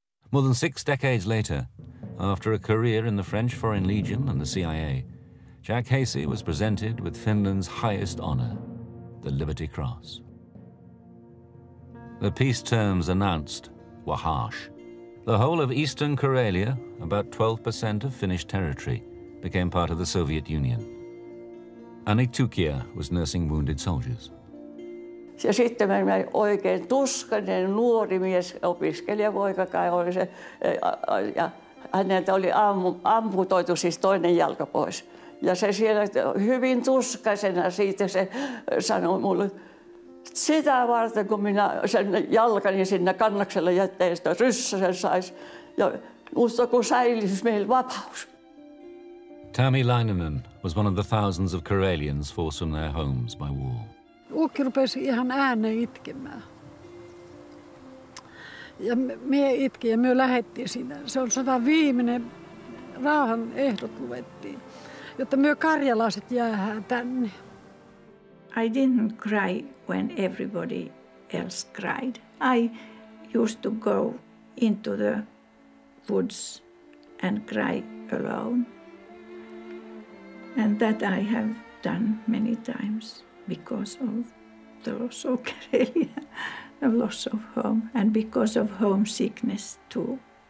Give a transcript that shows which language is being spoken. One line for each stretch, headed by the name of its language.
English: More than six decades later, after a career in the French Foreign Legion and the CIA, Jack Hasey was presented with Finland's highest honor, the Liberty Cross. The peace terms announced were harsh. The whole of eastern Karelia, about 12% of Finnish territory, became part of the Soviet Union. Anitukia was nursing wounded soldiers.
Finnish: Ja sitten mä olin oikein tuskainen nuori mies, opiskelijapoika kai oli se, ja häneltä oli amputoitu siis toinen jalka pois. Ja se siellä hyvin tuskaisena siitä se sanoi mulle, sitä varten kun minä sen jalkani sinne kannakselle jättäen, sitä ryssä sen saisi. Ja musta kun säilisi meillä vapaus.
English: Tammy Leininen was one of the thousands of Karelians forced from their homes by war.
Finnish: Ukki rupesi ihan ääneen itkemään. Ja me itki ja me lähettiin sinne. Se on sota viimeinen. Rauhan ehdot luettiin, jotta me karjalaiset jäähän tänne.
English: I didn't cry when everybody else cried. I used to go into the woods and cry alone. And that I have done many times because of the loss of Karelia, the loss of home, and because of homesickness too.